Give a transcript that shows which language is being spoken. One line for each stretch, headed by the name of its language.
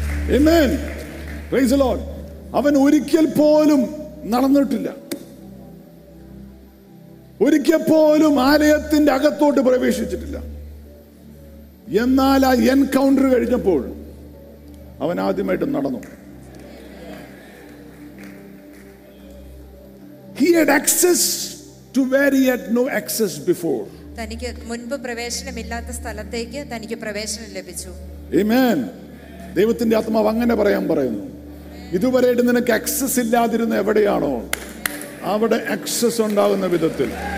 English: Amen. Praise the Lord.
Malayalam: Avan orikkal polum nadannittilla. ഒരിക്കൽ പോലും ആലയത്തിന്റെ അകത്തോട്ട് പ്രവേശിച്ചിട്ടില്ല. എന്നാൽ ആ എൻകൗണ്ടർ കഴിഞ്ഞപ്പോൾ അവൻ ആദ്യമായിട്ട് നടന്നു.
English: He had access to where he had no access before.
Malayalam: തനിക്ക് മുൻപ് പ്രവേശനമില്ലാത്ത സ്ഥലത്തേക്ക് തനിക്ക് പ്രവേശനം ലഭിച്ചു. ആമേൻ. ദൈവത്തിന്റെ ആത്മാവ് അങ്ങനെ പറയാൻ പറയുന്നു, ഇതുവരെ നിനക്ക് ആക്സസ് ഇല്ലാതിരുന്ന എവിടെയാണോ അവിടെ ആക്സസ് ഉണ്ടാകുന്ന വിധത്തിൽ.